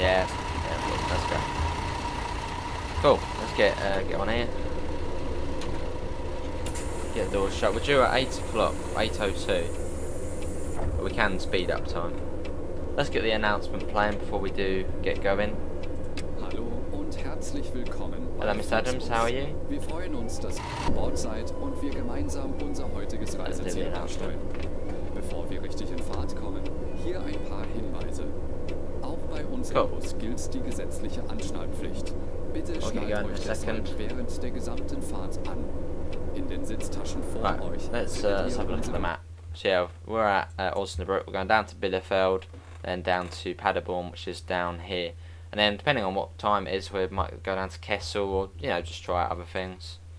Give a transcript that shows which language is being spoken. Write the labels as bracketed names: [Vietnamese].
[English] Yeah, let's go. Cool, let's get on here. Get the doors shut. We're due at 8 o'clock, 8:02. But we can speed up time. Let's get the announcement playing before we do get going. [German] Hallo und herzlich willkommen. [English] Hello, Mr. Adams, how are you? [German] Wir freuen uns, dass ihr an Bord seid und wir gemeinsam unser heutiges Reiseziel ansteuern. Bevor wir richtig in Fahrt kommen, hier ein paar Hinweise. Auch bei unserem Bus gilt die gesetzliche Anschnallpflicht. Bitte schnallt euch deshalb während der gesamten Fahrt an. In den Sitztaschen vor euch. [English] Let's have a look at the map. So yeah, we're at Osnabrück, we're going down to Bielefeld, then down to Paderborn, which is down here. And then, depending on what time it is, we might go down to Kessel, or, you know, just try out other things.